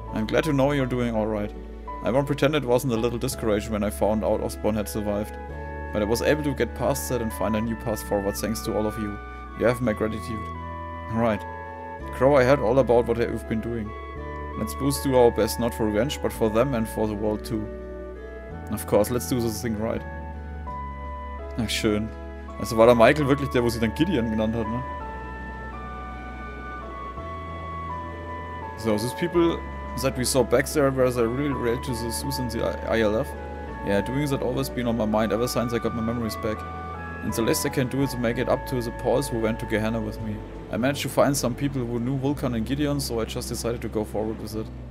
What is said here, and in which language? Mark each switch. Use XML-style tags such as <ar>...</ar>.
<en>I'm glad to know you're doing alright. I won't pretend it wasn't a little discouraging when I found out Osborne had survived. But I was able to get past that and find a new path forward thanks to all of you. You have my gratitude. Right. Crow, I heard all about what you've been doing. Let's both do our best, not for revenge, but for them and for the world too. Of course, let's do this thing right.</en> <de>Ach, schön. Also war der Michael wirklich der, wo sie dann Gideon genannt hat, ne?</de> <en>So, these people that we saw back there, were they really related to the Zeus and the ILF? Yeah, doing that always been on my mind ever since I got my memories back. And the least I can do is make it up to the Pauls who went to Gehenna with me. I managed to find some people who knew Vulcan and Gideon, so I just decided to go forward with it.</en>